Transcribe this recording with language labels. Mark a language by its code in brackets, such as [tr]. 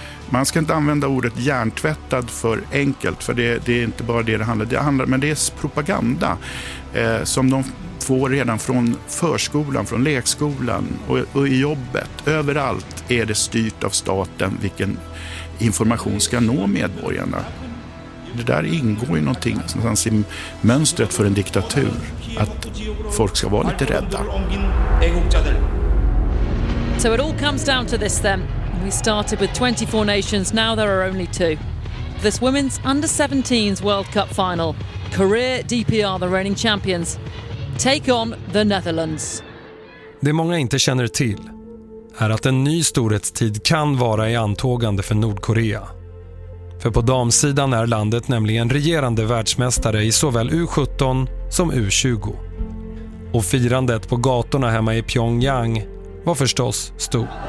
[sv] Man ska inte använda ordet hjärntvättad för enkelt, för det är inte bara det handlar, men det är propaganda som de får redan från förskolan, från lekskolan och i jobbet. Överallt är det styrt av staten vilken information ska nå medborgarna. Det där ingår ju någonting i mönstret för en diktatur, att folk ska vara lite rädda. [en] So it all comes down to this then. We started with 24 nations, now there are only two. This women's under-17s World Cup final, Korea DPR, the reigning champions, take on the Netherlands. [sv] Det många inte känner till är att en ny storhetstid kan vara i antågande för Nordkorea. För på damsidan är landet nämligen regerande världsmästare i såväl U17 som U20. Och firandet på gatorna hemma i Pyongyang var förstås stort.